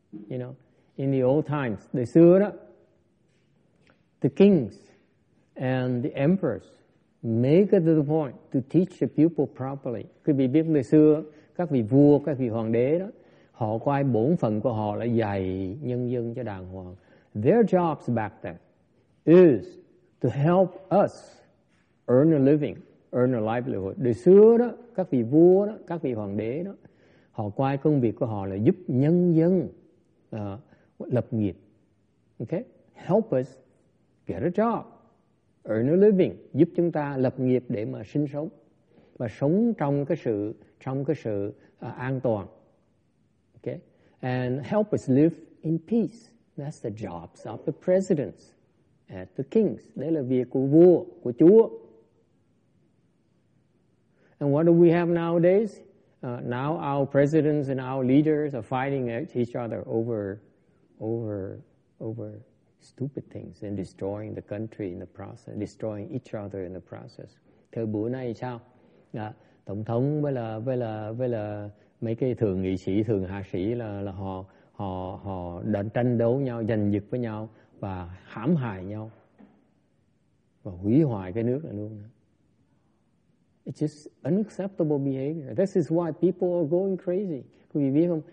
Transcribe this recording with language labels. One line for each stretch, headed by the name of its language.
English: You know, in the old times,
Vietnamese: đời xưa đó,
English: the kings and the emperors make it to the point to teach the people properly.
Vietnamese: Quý vị biết đời xưa, các vị vua, các vị hoàng đế đó, họ coi bổn phận của họ là dạy nhân dân cho đàng hoàng.
English: Their jobs back then is to help us earn a living, earn a livelihood.
Vietnamese: Đời xưa đó, các vị vua đó, các vị hoàng đế đó, họ coi công việc của họ là giúp nhân dân lập nghiệp. Okay?
English: Help us get a job, earn a living,
Vietnamese: giúp chúng ta lập nghiệp để mà sinh sống và sống trong cái sự an toàn.
English: Okay? And help us live in peace. That's the jobs of the presidents and the kings.
Vietnamese: Đấy là việc của vua, của chúa.
English: And what do we have nowadays? Now our presidents and our leaders are fighting each other over stupid things and destroying the country in the process, destroying each other in the process.
Vietnamese: Thời buổi này sao? Tổng thống với là mấy cái thượng nghị sĩ, thượng hạ sĩ là họ đã tranh đấu nhau, giành giật với nhau và hãm hại nhau và hủy hoại cái nước này luôn.
English: It's just unacceptable behavior. This is why people are going crazy.
Vietnamese: Quý vị biết không?